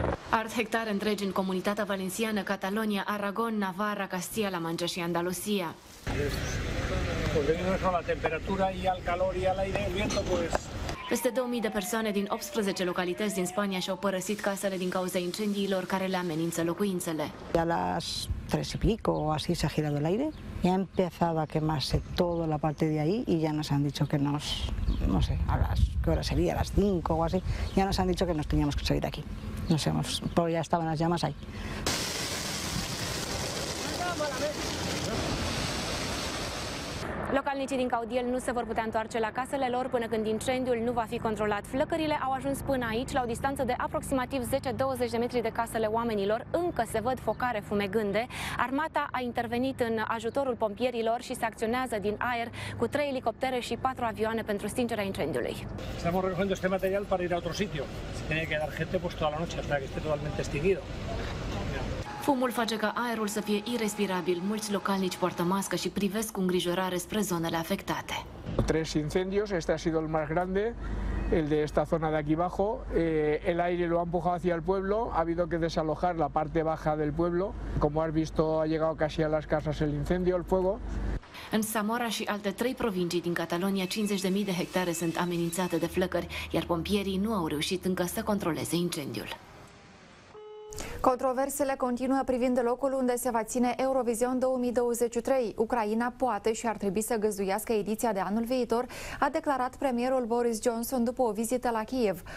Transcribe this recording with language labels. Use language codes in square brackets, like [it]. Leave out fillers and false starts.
[ro] Ard hectare întregi în comunitatea valenciană, Catalonia, Aragon, Navarra, Castilla-La Mancha și Andalusia. Peste 2000 de persoane din 18 localități din Spania și-au părăsit casele din cauza incendiilor care le amenință locuințele. [es] Ya las 3 y pico o así se ha girado el aire. Ya ha empezado a quemarse toda la parte de ahí y ya nos han dicho que nos, no sé, a las, ¿qué hora sería? A las 5 o así, ya nos han dicho que nos teníamos que salir de aquí. No sé, pero ya estaban las llamas ahí. [ro] Localnicii din Caudiel nu se vor putea întoarce la casele lor până când incendiul nu va fi controlat. Flăcările au ajuns până aici, la o distanță de aproximativ 10-20 de metri de casele oamenilor. Încă se văd focare fumegânde. Armata a intervenit în ajutorul pompierilor și se acționează din aer cu 3 elicoptere și 4 avioane pentru stingerea incendiului. [es] Estamos recogiendo este material para ir a otro sitio. Si tiene que dar gente, pues toda la noche, hasta que esté totalmente extinguido. [ro] Fumul face ca aerul să fie irrespirabil. Mulți localnici poartă mască și privesc cu îngrijorare spre zonele afectate. [es] 3 incendios, este a sido el más grande, el de esta zona de aquí bajo. El aire lo ha empujado hacia el pueblo, ha habido que desalojar la parte baja del pueblo. Como has visto, ha llegado casi a las casas el incendio, el fuego. [ro] În Zamora și alte 3 provincii din Catalonia, 50.000 de hectare sunt amenințate de flăcări, iar pompierii nu au reușit încă să controleze incendiul. Controversele continuă privind locul unde se va ține Eurovision 2023. Ucraina poate și ar trebui să găzduiască ediția de anul viitor, a declarat premierul Boris Johnson după o vizită la Kiev.